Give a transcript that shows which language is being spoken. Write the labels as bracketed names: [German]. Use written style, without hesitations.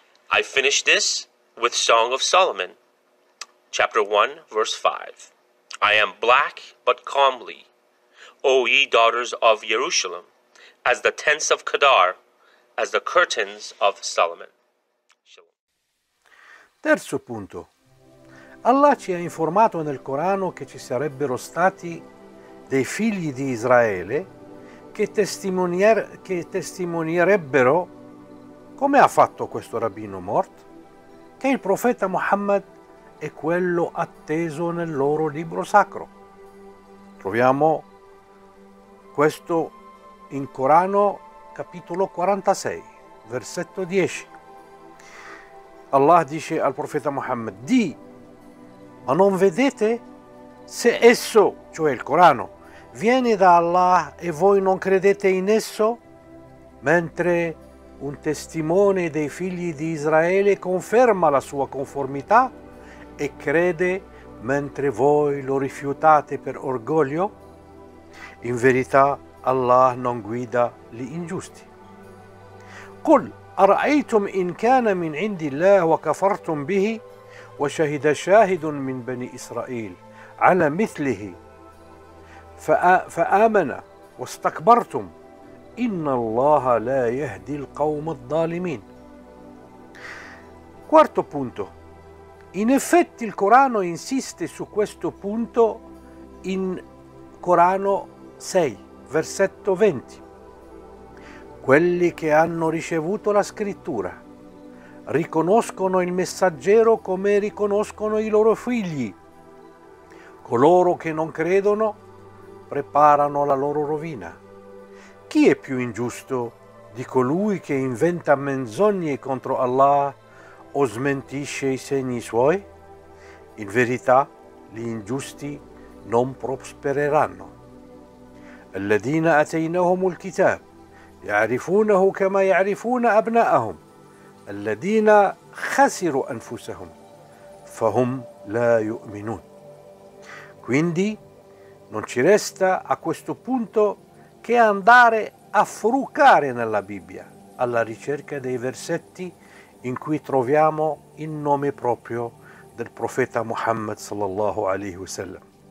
[English] I finish this with Song of Solomon, chapter 1, verse 5. I am black but comely, O ye daughters of Jerusalem, as the tents of Kedar, as the curtains of Solomon. [Hebrew] Shalom. [Italian] Terzo punto. Allah ci ha informato nel Corano che ci sarebbero stati dei figli di Israele che testimonierebbero come ha fatto questo rabbino Mort, che il profeta Muhammad è quello atteso nel loro libro sacro. Troviamo questo in Corano capitolo 46, versetto 10. Allah dice al profeta Muhammad, di, ma non vedete? Se esso, cioè il Corano, viene da Allah e voi non credete in esso? Mentre un testimone dei figli di Israele conferma la sua conformità e crede, mentre voi lo rifiutate per orgoglio? In verità, Allah non guida gli ingiusti. [Arabic] قل أرأيتم إن كان من عند الله وكفرتم به وشهد شاهد من بني إسرائيل على مثله فآمن واستكبرتم إن الله لا يهدي القوم الظالمين. [Italian] Quarto punto. In effetti il Corano insiste su questo punto in Corano 6, versetto 20. Quelli che hanno ricevuto la scrittura riconoscono il messaggero come riconoscono i loro figli. Coloro che non credono preparano la loro rovina. Chi è più ingiusto di colui che inventa menzogne contro Allah o smentisce i segni suoi? In verità, gli ingiusti non prospereranno. [Arabic] الذين أتيناهم الكتاب يعرفونه كما يعرفون أبناءهم الذين خسروا أنفسهم فهم لا يؤمنون. [Italian] Quindi non ci resta a questo punto che andare a frucare nella Bibbia alla ricerca dei versetti in cui troviamo il nome proprio del profeta Muhammad sallallahu alaihi wasallam.